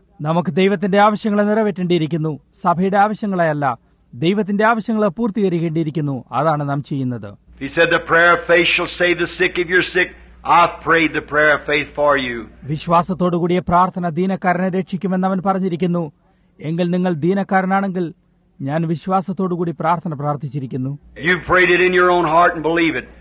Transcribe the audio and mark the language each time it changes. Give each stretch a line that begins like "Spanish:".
Malayalam: നമുക്ക് ദൈവത്തിന്റെ ആവശ്യങ്ങളെ നിറവേറ്റേണ്ടിയിരിക്കുന്നു. സഭയുടെ ആവശ്യങ്ങളെയല്ല, ദൈവത്തിന്റെ ആവശ്യങ്ങളെ പൂർത്തീകരിക്കേണ്ടിയിരിക്കുന്നു. അതാണ് നാം ചെയ്യുന്നത്.
English: He said the prayer of faith shall save the sick. If you're sick, I've prayed the prayer of faith for you.
Malayalam: വിശ്വാസത്തോടു കൂടിയ പ്രാർത്ഥന ദീനക്കാരനെ രക്ഷിക്കുമെന്ന് അവൻ പറഞ്ഞിരിക്കുന്നു. എങ്കിൽ നിങ്ങൾ ദീനക്കാരനാണെങ്കിൽ ഞാൻ വിശ്വാസത്തോടുകൂടി പ്രാർത്ഥന പ്രാർത്ഥിച്ചിരിക്കുന്നു.
English: You prayed it in your own heart and believe it.